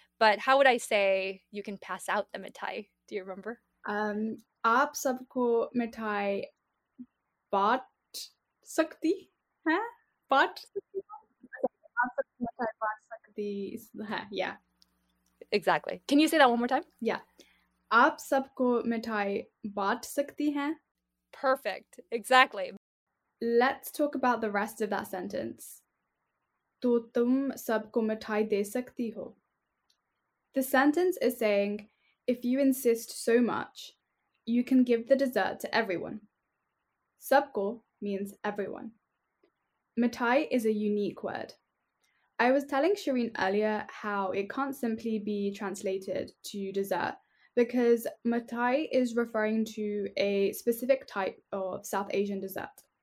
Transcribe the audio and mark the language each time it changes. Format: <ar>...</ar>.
<en>But how would I say you can pass out the mitai? Do you remember?</en> <hi>Aap sabko mitai baat sakti hai? Baat sakti hai? Yeah.</hi> <en>Exactly. Can you say that one more time? Yeah.</en> <hi>आप सबको मिठाई बांट सकती हैं?</hi> <en>Perfect, exactly. Let's talk about the rest of that sentence.</en> <hi>तो तुम सबको मिठाई दे सकती हो?</hi> <en>The sentence is saying, if you insist so much, you can give the dessert to everyone. सबको means everyone. Mithai is a unique word. I was telling Shireen earlier how it can't simply be translated to dessert because mithai is referring to a specific type of South Asian dessert.</en>